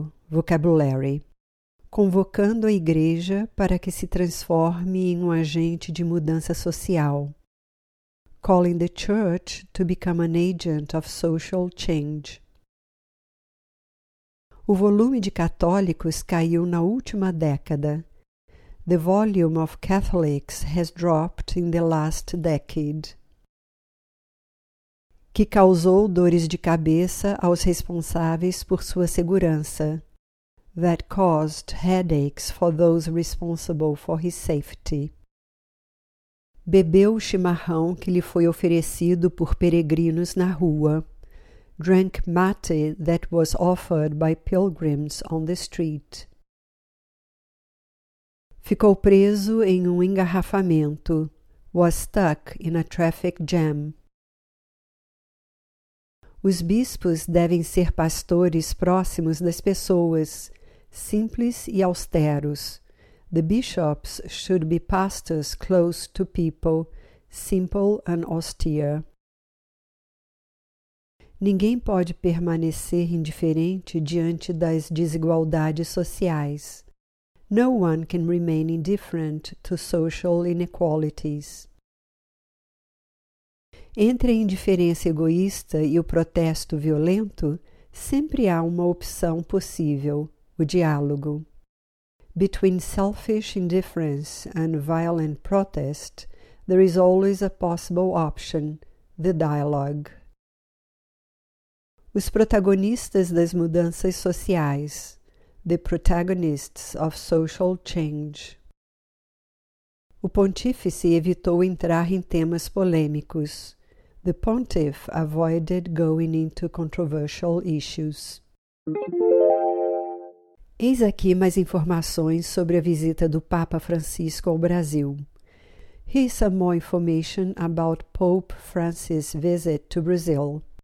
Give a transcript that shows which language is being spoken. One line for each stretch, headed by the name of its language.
Portuguese: Vocabulary. Convocando a Igreja para que se transforme em um agente de mudança social.
English: Calling the church to become an agent of social change.
Portuguese: O volume de católicos caiu na última década.
English: The volume of Catholics has dropped in the last decade.
Portuguese: Que causou dores de cabeça aos responsáveis por sua segurança.
English: That caused headaches for those responsible for his safety.
Portuguese: Bebeu o chimarrão que lhe foi oferecido por peregrinos na rua.
English: Drank mate that was offered by pilgrims on the street.
Portuguese: Ficou preso em um engarrafamento.
English: Was stuck in a traffic jam.
Portuguese: Os bispos devem ser pastores próximos das pessoas, simples e austeros.
English: The bishops should be pastors close to people, simple and austere.
Portuguese: Ninguém pode permanecer indiferente diante das desigualdades sociais.
English: No one can remain indifferent to social inequalities.
Portuguese: Entre a indiferença egoísta e o protesto violento, sempre há uma opção possível, o diálogo.
English: Between selfish indifference and violent protest, there is always a possible option, the dialogue.
Portuguese: Os protagonistas das mudanças sociais,
English: the protagonists of social change.
Portuguese: O pontífice evitou entrar em temas polêmicos.
English: The pontiff avoided going into controversial issues.
Portuguese: Eis aqui mais informações sobre a visita do Papa Francisco ao Brasil.
English: Here's some more information about Pope Francis' visit to Brazil.